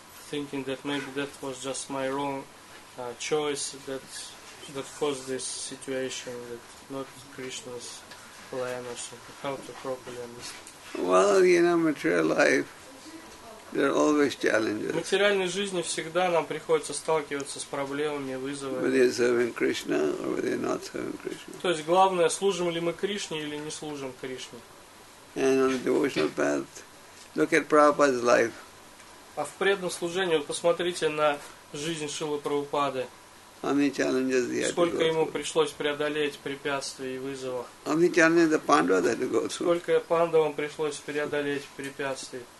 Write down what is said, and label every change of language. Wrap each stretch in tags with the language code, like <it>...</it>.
<en>thinking that maybe that was just my wrong choice that caused this situation, that not Krishna's plan or something. How to properly understand? Well, you know, material life, there are always challenges.</en> <ru>В материальной жизни всегда нам приходится сталкиваться с проблемами, вызовами.</ru> <en>Whether you're serving Krishna or whether you're not serving Krishna.</en> <ru>То есть главное, служим ли мы Кришне или не служим Кришне.</ru> <en>And on the devotional path, look at Prabhupada's life.</en> <ru>А в преданном служении, вот посмотрите на жизнь Шрилы Прабхупады.</ru> <en>How many challenges he had to go through?</en> <ru>Сколько ему пришлось преодолеть препятствий и вызовов?</ru> <en>How many challenges the Pandava had to go through?</en> <ru>Сколько пандавам пришлось преодолеть препятствий?</ru>